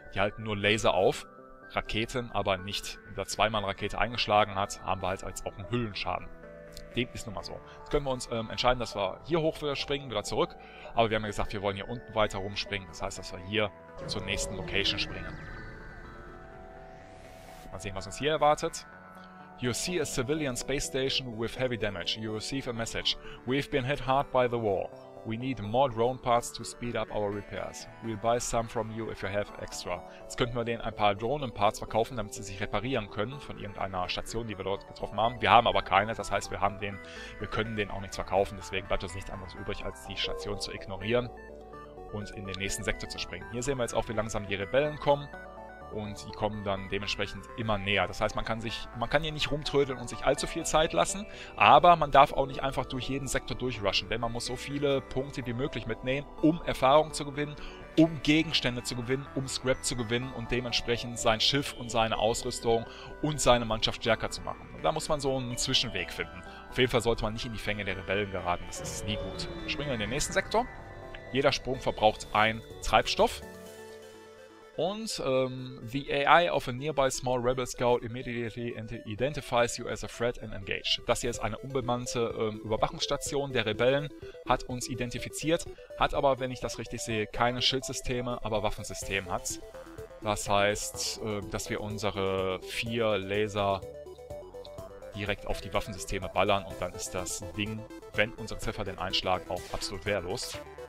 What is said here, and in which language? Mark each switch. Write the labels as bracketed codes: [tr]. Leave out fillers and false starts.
[de] Die halten nur Laser auf. Raketen aber nicht. Da zweimal eine Rakete eingeschlagen hat, haben wir halt als auch einen Hüllenschaden. Dem ist nun mal so. Jetzt können wir uns entscheiden, dass wir hier hoch springen, wieder zurück. Aber wir haben ja gesagt, wir wollen hier unten weiter rumspringen. Das heißt, dass wir hier zur nächsten Location springen. Mal sehen, was uns hier erwartet. [en] You see a civilian space station with heavy damage. You receive a message. We've been hit hard by the war. We need more drone parts to speed up our repairs. We'll buy some from you if you have extra. [de] Jetzt könnten wir denen ein paar Drohnenparts verkaufen, damit sie sich reparieren können von irgendeiner Station, die wir dort getroffen haben. Wir haben aber keine, das heißt, wir können denen auch nichts verkaufen. Deswegen bleibt uns nichts anderes übrig, als die Station zu ignorieren und in den nächsten Sektor zu springen. Hier sehen wir jetzt auch, wie langsam die Rebellen kommen. Und die kommen dann dementsprechend immer näher. Das heißt, man kann hier nicht rumtrödeln und sich allzu viel Zeit lassen. Aber man darf auch nicht einfach durch jeden Sektor durchrushen. Denn man muss so viele Punkte wie möglich mitnehmen, um Erfahrung zu gewinnen, um Gegenstände zu gewinnen, um Scrap zu gewinnen und dementsprechend sein Schiff und seine Ausrüstung und seine Mannschaft stärker zu machen. Und da muss man so einen Zwischenweg finden. Auf jeden Fall sollte man nicht in die Fänge der Rebellen geraten. Das ist nie gut. Springen wir in den nächsten Sektor. Jeder Sprung verbraucht ein Treibstoff. [en] Und the AI of a nearby small rebel scout immediately identifies you as a threat and engage. [de] Das hier ist eine unbemannte Überwachungsstation der Rebellen, hat uns identifiziert, hat aber, wenn ich das richtig sehe, keine Schildsysteme, aber Waffensystem hat. Das heißt, dass wir unsere vier Laser direkt auf die Waffensysteme ballern und dann ist das Ding, wenn unsere Ziffer den Einschlag, auch absolut wehrlos.